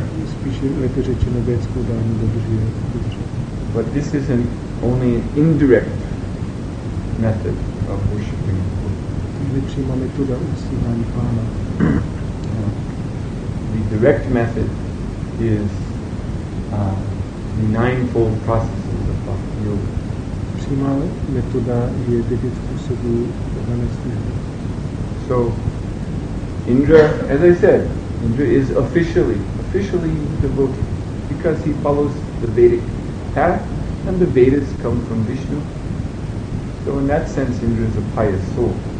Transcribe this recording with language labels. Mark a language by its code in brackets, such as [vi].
[cs] Spíše lépe řečeno vědskou dharmu dodržuje. [en] But this is an only an indirect method of worshipping the Buddha. The direct method is the ninefold processes of bhakti yoga. [cs] Přímá metoda je devět způsobů oddané služby. [en] So Indra, as I said, Indra is officially devotee because he follows the Vedic path. And the Vedas come from Vishnu. So in that sense, Indra is a pious soul.